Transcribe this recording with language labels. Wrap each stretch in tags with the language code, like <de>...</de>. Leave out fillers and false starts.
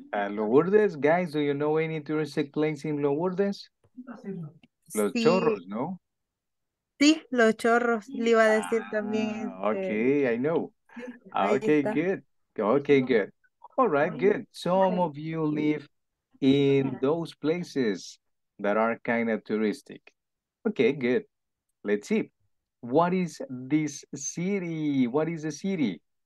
<en>Lourdes, guys, do you know any touristic place in Lourdes?</en> <es>Los sí. Chorros, ¿no? Sí, Los Chorros, le iba a decir también.</es> <en>Okay, I know. Okay, good. Okay, good. All right, good. Some of you live in those places that are kind of touristic. Okay, good. Let's see. What is this city? What is the city?</en>